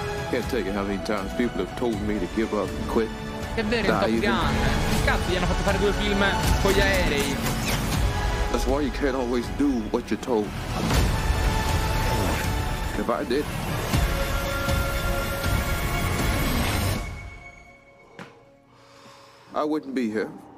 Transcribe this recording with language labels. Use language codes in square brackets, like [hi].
[en] Can't tell you how many times people have told me to give up and quit. [it] È vero, in Top Gun. Cazzo, gli hanno fatto fare due film con gli aerei. [en] That's why you can't always do what you're told. If I did. I wouldn't be here.